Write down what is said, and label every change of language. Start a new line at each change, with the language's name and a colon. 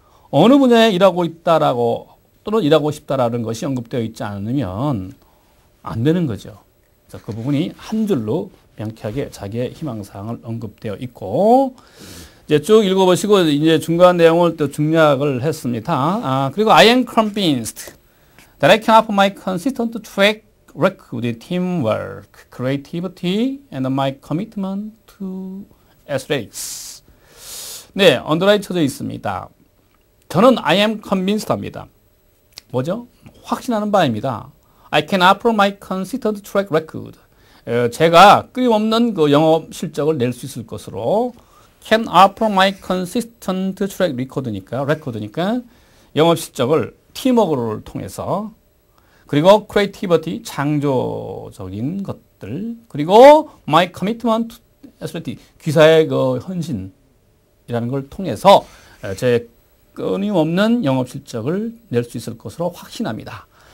Korean: 어느 분야에 일하고 있다라고 또는 일하고 싶다라는 것이 언급되어 있지 않으면 안 되는 거죠. 그래서 그 부분이 한 줄로 명쾌하게 자기의 희망사항을 언급되어 있고 이제 쭉 읽어보시고 이제 중간 내용을 또 중략을 했습니다.
English: 그리고 I am convinced that I can offer my consistent track record teamwork, creativity and my commitment Athletics.
Korean: 네, 언더라인 쳐져 있습니다. 저는
English: I am convinced
Korean: 합니다. 뭐죠? 확신하는 바입니다.
English: I can offer my consistent track record.
Korean: 제가 끊임없는 그 영업 실적을 낼 수 있을 것으로
English: can offer my consistent track record
Korean: 니까 영업 실적을 팀워크를 통해서 그리고 creativity, 창조적인 것들 그리고
English: my commitment to SLT,
Korean: 귀사의 그 헌신이라는 걸 통해서 제 끊임없는 영업 실적을 낼 수 있을 것으로 확신합니다.